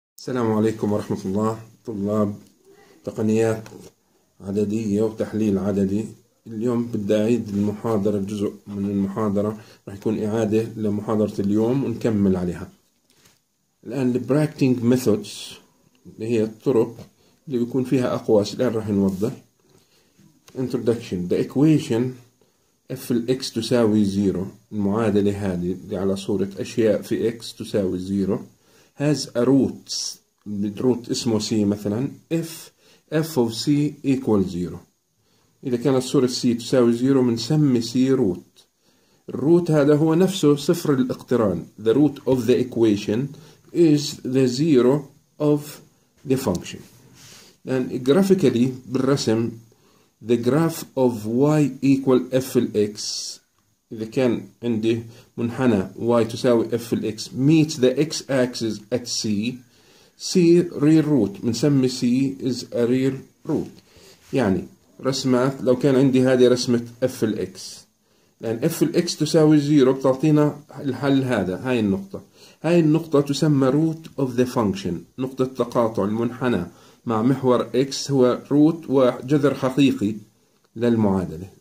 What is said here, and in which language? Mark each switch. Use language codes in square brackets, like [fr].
[ar] السلام عليكم ورحمة الله. طلاب تقنيات عددية وتحليل عددي، اليوم بدي أعيد المحاضرة، جزء من المحاضرة راح يكون إعادة لمحاضرة اليوم ونكمل عليها. الآن الـ Bracketing Methods اللي هي الطرق اللي بيكون فيها أقواس، الآن راح نوضح. [en] Introduction: The equation f x [ar] تساوي 0، المعادلة هذه اللي على صورة أشياء في x تساوي 0 [en] has a root، root [ar] اسمه c مثلا، [en] if f of c equal 0. [ar] إذا كانت صورة c تساوي 0 بنسمي c root. الروت هذا هو نفسه صفر الاقتران. [en] The root of the equation is the zero of the function. Then graphically [ar] بالرسم، [en] the graph of y equal f x، [ar] إذا كان عندي منحنى y تساوي f ال x [en] meets the x axis at c، c real root، [ar] بنسمي [en] c is a real root. [ar] يعني رسمات، لو كان عندي هذه رسمة f ال x، لأن f ال x تساوي 0 بتعطينا الحل هذا، هاي النقطة. هاي النقطة تسمى [en] root of the function، [ar] نقطة تقاطع المنحنى مع محور x هو root وجذر حقيقي للمعادلة.